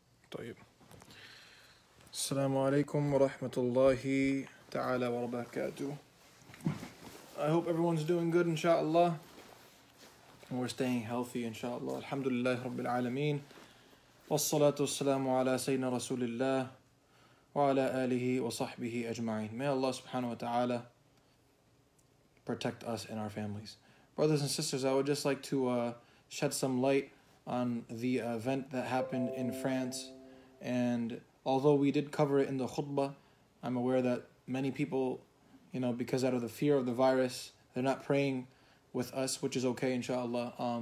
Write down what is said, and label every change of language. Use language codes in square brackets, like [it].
[ar] طيب السلام عليكم ورحمة الله تعالى وبركاته. [en] I hope everyone's doing good inshallah. We're staying healthy inshallah. [ar] الحمد لله رب العالمين والصلاة والسلام على سيدنا رسول الله وعلى آله وصحبه أجمعين. [en] May Allah subhanahu wa ta'ala protect us and our families. Brothers and sisters, I would just like to shed some light on the event that happened in France. And although we did cover it in the khutbah, I'm aware that many people, you know, because out of the fear of the virus, they're not praying with us, which is okay, inshallah.